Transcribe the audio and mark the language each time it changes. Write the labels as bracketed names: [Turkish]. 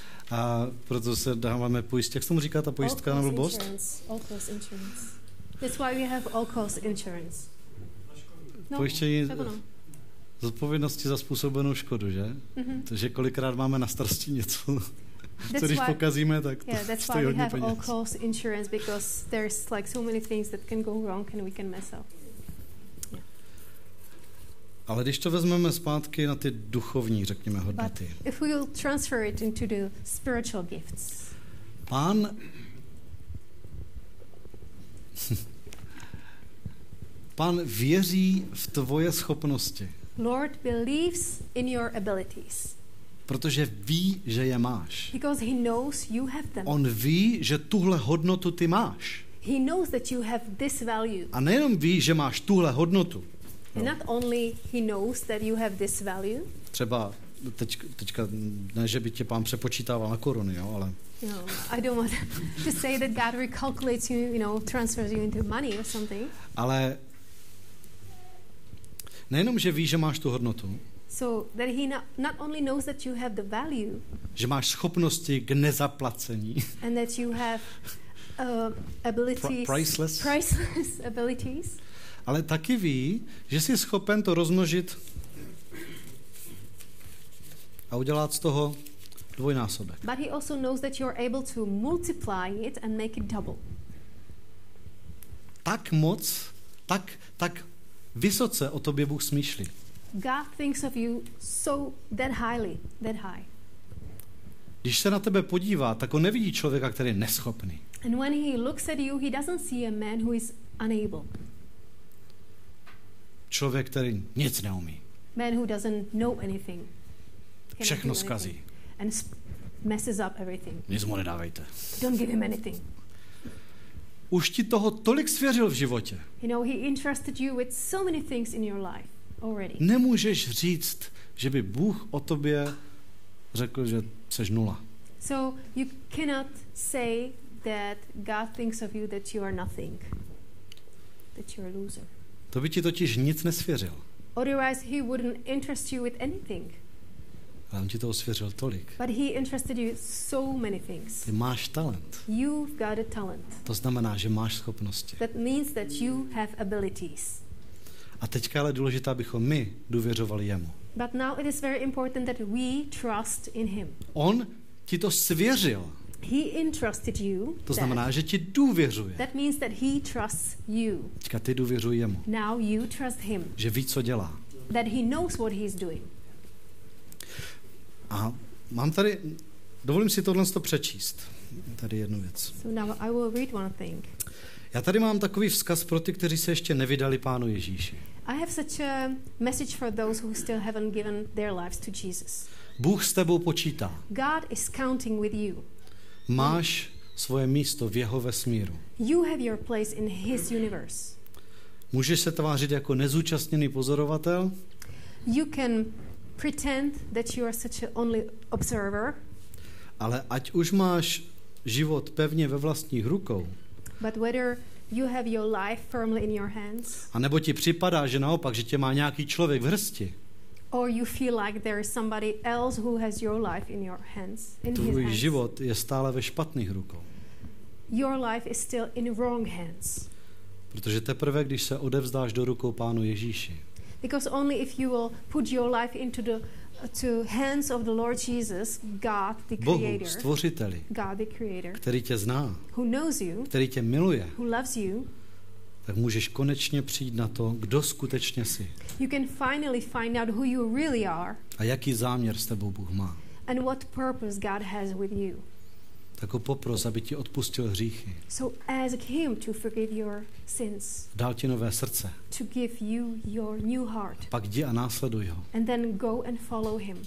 [Czech] A proto se dáváme pojistky. Jak se tomu říká ta pojistka na blbost? [English] All cost insurance. That's why we have all cost insurance. [Czech] Pojištění zodpovědnosti za způsobenou škodu, že? Mm-hmm. Takže kolikrát máme na starosti něco. Co když pokazíme, tak to stojí hodně peněz. [English] Yeah, that's why we have all cost insurance, because there's like so many things that can go wrong and we can mess up. [Czech] Ale když to vezmeme zpátky na ty duchovní, řekněme, hodnoty. [English] But if we will transfer it into the spiritual gifts. [Czech] Pán Pán věří v tvoje schopnosti. [English] Lord believes in your abilities. [Czech] Protože ví, že je máš. [English] Because he knows you have them. [Czech] On ví, že tuhle hodnotu ty máš. [English] He knows that you have this value. [Czech] A nejenom ví, že máš tuhle hodnotu. No. [English] Not only he knows that you have this value. [Czech] Třeba teďka ne, že by tě pán přepočítával na koruny, jo, ale. [English] No, I don't want to say that God recalculates you, you know, transfers you into money or something. [Czech] Ale nejenom, že ví, že máš tu hodnotu. [English] So that he not only knows that you have the value. [Czech] Že máš schopnosti k nezaplacení. [English] And that you have abilities. Priceless abilities. [Czech] Ale taky ví, že jsi schopen to rozmnožit a udělat z toho dvojnásobek. [English] But he also knows that you're able to multiply it and make it double. [Czech] Tak moc, tak vysoce o tobě Bůh smýšlí. [English] God thinks of you so that highly, that high. [Czech] Když se na tebe podívá, tak on nevidí člověka, který je neschopný. [English] And when he looks at you, he doesn't see a man who is unable. [Czech] Člověk, který nic neumí. [English] Man who doesn't know anything. [Czech] Všechno zkazí. [English] And messes up everything. [Czech] Nic mu nedávejte. [English] Don't give him anything. [Czech] Už ti toho tolik svěřil v životě. [English] You know, he entrusted you with so many things in your life already. [Czech] Nemůžeš říct, že by Bůh o tobě řekl, že seš nula. [English] So you cannot say that God thinks of you that you are nothing. That you're a loser. [Czech] To by ti totiž nic nesvěřil. [English] Otherwise he wouldn't entrust you with anything. [Czech] Ale on ti toho svěřil tolik. [English] But he entrusted you so many things. [Czech] Ty máš talent. [English] You've got a talent. [Czech] To znamená, že máš schopnosti. [English] That means that you have abilities. [Czech] A teďka ale důležité, abychom my důvěřovali jemu. [English] But now it is very important that we trust in him. [Czech] On ti to svěřil. [English] He entrusted you. [Czech] To znamená, že ti důvěřuje. [English] That means that he trusts you. [Czech] Teďka ty důvěřuj jemu. [English] Now you trust him. [Czech] Že ví, co dělá. [English] That he knows what he's doing. [Czech] A mám tady, dovolím si tohle přečíst. Tady jednu věc. [English] So now I will read one thing. [Czech] Já tady mám takový vzkaz pro ty, kteří se ještě nevydali Pánu Ježíši. [English] I have such a message for those who still haven't given their lives to Jesus. [Czech] Bůh s tebou počítá. [English] God is counting with you. [Czech] Máš svoje místo v jeho vesmíru. [English] You have your place in his universe. [Czech] Můžeš se tvářit jako nezúčastněný pozorovatel. [English] You can pretend that you are such an only observer. [Czech] Ale ať už máš život pevně ve vlastních rukou. [English] But whether you have your life firmly in your hands. [Czech] A nebo ti připadá, že naopak, že tě má nějaký člověk v hrsti. [English] Or you feel like there is somebody else who has your life in your hands. [Czech] Tvůj život je stále ve špatných rukou. [English] Your life is still in wrong hands. [Czech] Protože teprve, když se odevzdáš do rukou Pánu Ježíši. [English] Because only if you will put your life into the to hands of the Lord Jesus, God the Creator, [Czech] Bohu, stvořiteli, [English] God the Creator, [Czech] který tě zná, [English] who knows you, [Czech] který tě miluje, [English] who loves you, [Czech] tak můžeš konečně přijít na to, kdo skutečně jsi. [English] You can finally find out who you really are. [Czech] A jaký záměr s tebou Bůh má. [English] And what purpose God has with you. [Czech] Tak ho popros, aby ti odpustil hříchy. [English] So ask him to forgive your sins. [Czech] Dal ti nové srdce. [English] To give you your new heart. [Czech] Pak jdi a následuj ho. [English] And then go and follow him.